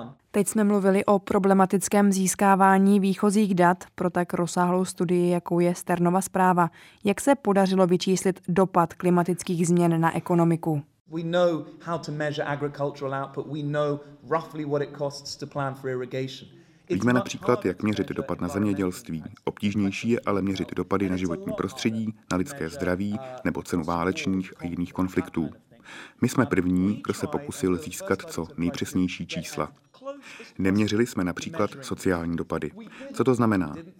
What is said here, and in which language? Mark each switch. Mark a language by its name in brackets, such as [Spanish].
[Czech] Teď jsme mluvili o problematickém získávání výchozích dat pro tak rozsáhlou studii, jakou je Sternova zpráva. Jak se podařilo vyčíslit dopad klimatických změn na ekonomiku? [English] We know how to measure agricultural output. We know roughly what it costs to plan for irrigation. [Czech] Víme například, jak měřit dopad na zemědělství. Obtížnější je ale měřit dopady na životní prostředí, na lidské zdraví nebo cenu válečných a jiných konfliktů. My jsme první, kdo se pokusil získat co nejpřesnější čísla. Neměřili jsme například sociální dopady. Co to znamená?